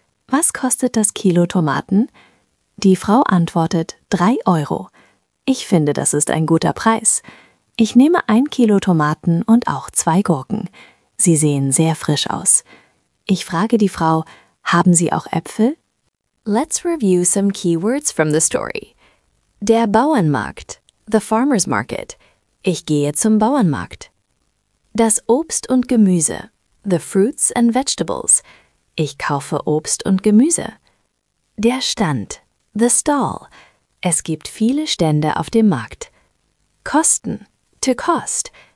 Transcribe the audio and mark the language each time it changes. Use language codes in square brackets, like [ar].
[de] Was kostet das Kilo Tomaten? Die Frau antwortet, 3 Euro. Ich finde, das ist ein guter Preis. Ich nehme 1 Kilo Tomaten und auch 2 Gurken. Sie sehen sehr frisch aus. Ich frage die Frau, haben Sie auch Äpfel? [en] Let's review some keywords from the story. Der Bauernmarkt, the farmer's market. [de] Ich gehe zum Bauernmarkt. Das Obst und Gemüse, [en] the fruits and vegetables. [de] Ich kaufe Obst und Gemüse. Der Stand, [en] the stall. [de] Es gibt viele Stände auf dem Markt. Kosten, [en] to cost.